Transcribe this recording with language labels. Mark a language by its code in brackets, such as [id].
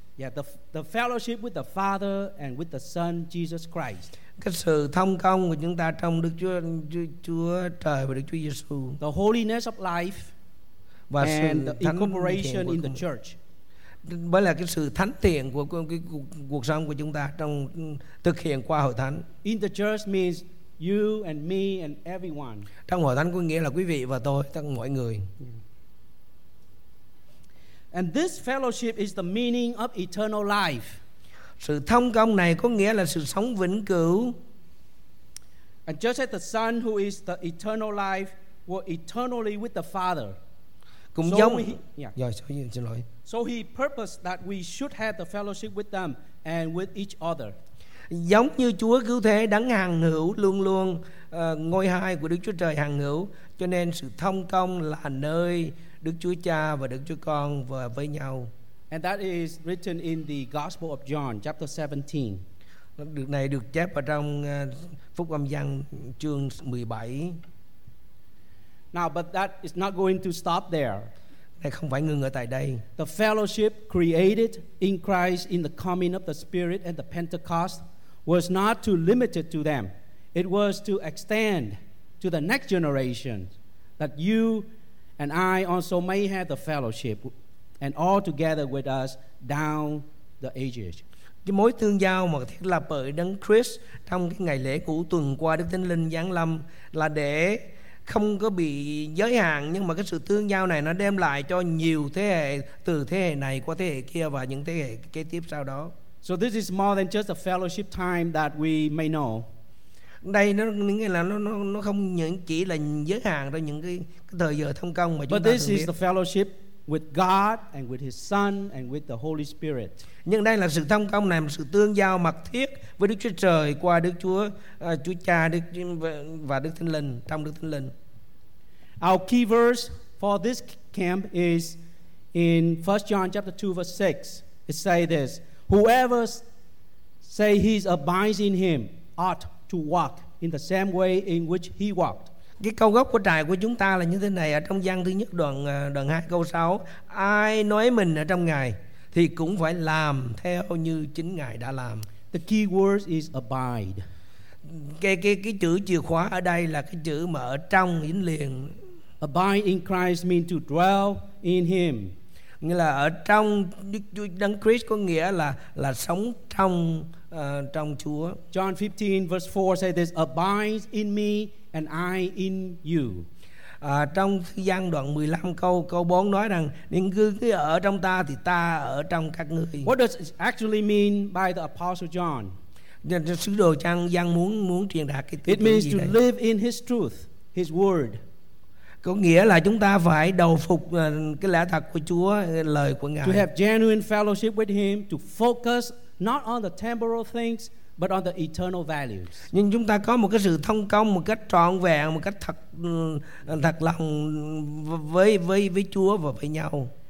[en] Yeah, the fellowship with the Father and with the Son Jesus Christ. [vi] Cái sự thông công của chúng ta trong Đức Chúa Trời và Đức Chúa Giêsu. [en] The holiness of life [vi] và [en] and the incorporation in the church. [vi] Bởi là cái sự thánh thiện của cái cuộc sống của chúng ta trong thực hiện qua hội thánh. [en] In the church means you and me and everyone. [vi] Trong hội thánh có nghĩa là quý vị và tôi, tất cả mọi người. [en] And this fellowship is the meaning of eternal life. [vi] Sự thông công này có nghĩa là sự sống vĩnh cửu. [en] And just as the Son who is the eternal life were eternally with the Father. So he purposed that we should have the fellowship with them and with each other. [vi] Giống như Chúa cứu thế đấng hằng hữu luôn luôn ngôi hai của Đức Chúa Trời hằng hữu, cho nên sự thông công là nơi Đức Chúa Cha và Đức Chúa Con và với nhau. [en] And that is written in the Gospel of John chapter 17. [vi] Điều này được chép ở trong Phúc Âm Giăng chương 17. [en] Now, but that is not going to stop there. [vi] Này không phải ngừng ở tại đây. [en] The fellowship created in Christ in the coming of the Spirit and the Pentecost was not to limit it to them. It was to extend to the next generation that you and I also may have the fellowship and all together with us down the ages. [vi] Cái mối tương giao mà thiết lập bởi Đấng Christ trong cái ngày lễ của tuần qua Đức Thánh Linh giáng lâm là để không có bị giới hạn, nhưng mà cái sự tương giao này nó đem lại cho nhiều thế hệ, từ thế hệ này qua thế hệ kia và những thế hệ kế tiếp sau đó. [en] So this is more than just a fellowship time that we may know. [vi] Đây nó nghĩa là nó không những chỉ là giới hạn trong những cái thời giờ thông công mà chúng [en] But [vi] ta [en] But this is the fellowship with God and with his Son and with the Holy Spirit. [vi] Nhưng đây là sự thông công này, sự tương giao mật thiết với Đức Chúa Trời qua Đức Chúa Chúa Cha Đức và Đức Thánh Linh, trong Đức Thánh Linh. [en] Our key verse for this camp is in 1 John chapter 2 verse 6. It says this, whoever say he abides in him ought to walk in the same way in which he walked. [vi] Cái câu gốc của trại của chúng ta là như thế này, ở trong Giăng thứ nhất đoạn 2 câu 6, ai nói mình ở trong Ngài thì cũng phải làm theo như chính Ngài đã làm. [en] The key word is abide. [vi] Cái chữ chìa khóa ở đây là cái chữ mà ở trong dính liền. [en] Abide in Christ means to dwell in him. [vi] Nghĩa là ở trong Đấng Christ có nghĩa là sống trong trong Chúa. [en] John 15 verse 4 says this, abide in me and I in you. [vi] Trong thi giăng đoạn 15 câu 4 nói rằng nếu ngươi ở trong ta thì ta ở trong các ngươi. [en] What does it actually mean by the apostle John? [vi] Sứ đồ Giăng muốn truyền đạt cái [en] It means to live in his truth, his word. [vi] Có nghĩa là chúng ta phải đầu phục cái lẽ thật của Chúa, lời của Ngài. [en] To have genuine fellowship with him, to focus not on the temporal things but on the eternal values. [vi] Nhưng chúng ta có một cái sự thông công một cách trọn vẹn, một cách thật lòng với Chúa và với nhau.